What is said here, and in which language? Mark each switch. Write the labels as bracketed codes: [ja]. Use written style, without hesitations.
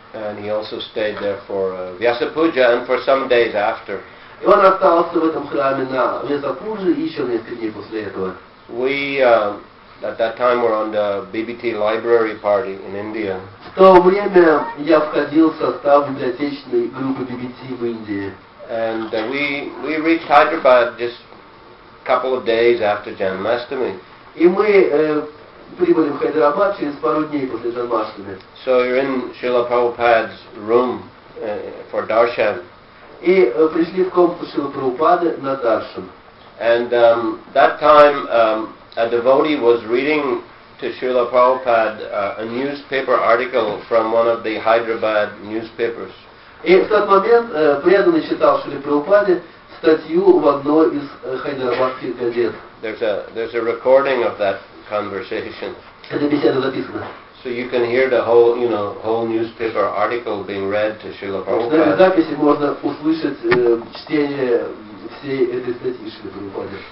[en] And he also stayed there for Vyasa Puja and for some days after. [ru] И он остался в этом храме на Вьяса Пуджи и еще несколько дней после этого. [en] We at that time were on the BBT library party in India. [ru] В то время я входил в состав библиотечной группы BBT в Индии. [en] And we reached Hyderabad just a couple of days after Janmashtami. [ru] И мы прибыли в Хайдерабад через пару дней после Джанмаштами. [en] So you're in Srila Prabhupada's room for darshan. [ru] И пришли в комнату Шрилы Прабхупады на даршан. [en] And that time a devotee was reading to Srila Prabhupada a newspaper article from one of the Hyderabad newspapers. [ru] И в тот момент преданный читал Шриле Прабхупаде статью в одной из хайдарабадских газет. [en] There's a recording of that conversation. [ru] Эта беседа записана. [en] So you can hear the whole, you know, whole newspaper article being read to Srila Prabhupada. [ru] В записи можно услышать чтение всей этой статьи Шриле Прабхупаде.